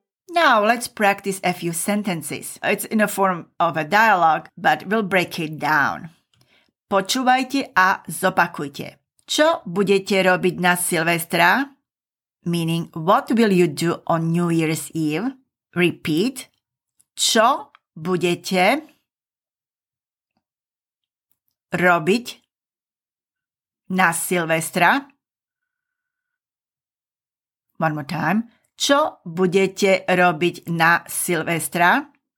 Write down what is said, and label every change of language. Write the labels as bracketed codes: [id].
[en] Now let's practice a few sentences. It's in a form of a dialogue, but we'll break it down. [sk] Počúvajte a zopakujte. Čo budete robiť na Silvestra? [en] Meaning, what will you do on New Year's Eve? Repeat. [sk] Čo budete robiť na Silvestra? [en] One more time. [sk] Čo budete robiť na Silvestra?